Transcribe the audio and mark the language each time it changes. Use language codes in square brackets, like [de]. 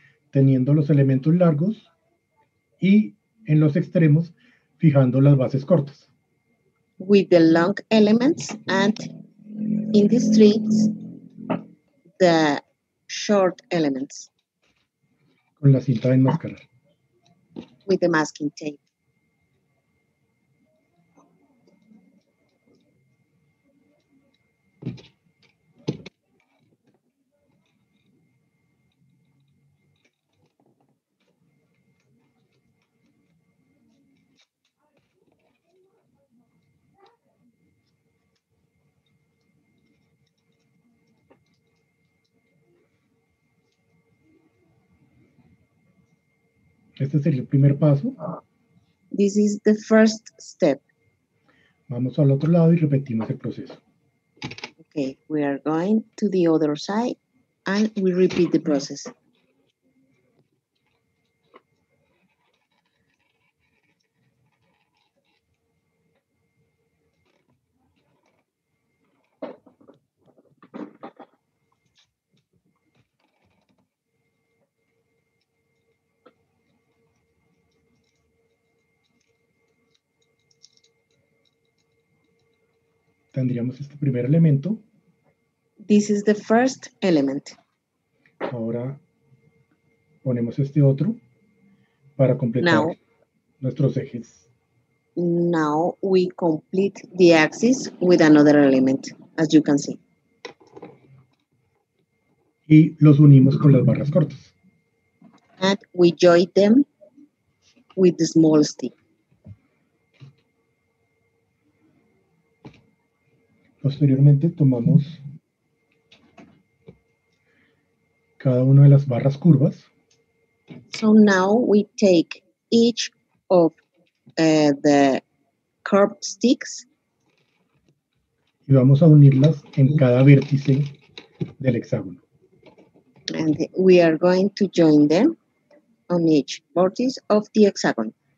[es] Teniendo los elementos largos y en los extremos fijando las bases cortas. [en] With the long elements and in the streets the short elements. [es] Con la cinta de enmascarar. [en] With the masking tape. [es] Este sería el primer paso. [en] This is the first step. [es] Vamos al otro lado y repetimos el proceso. [en] Okay, we are going to the other side and we repeat the process. [es] Tendríamos este primer elemento. [en] This is the first element. [es] Ahora ponemos este otro para completar now, nuestros ejes. [en] Now we complete the axis with another element, as you can see. [es] Y los unimos con las barras cortas. [en] And we join them with the small stick. [es] Posteriormente tomamos cada una de las barras curvas. [en] So now we take each of the curved sticks. [es] Y vamos a unirlas en cada vértice del hexágono. [en] And we are going to join them on each vertice of the hexagon.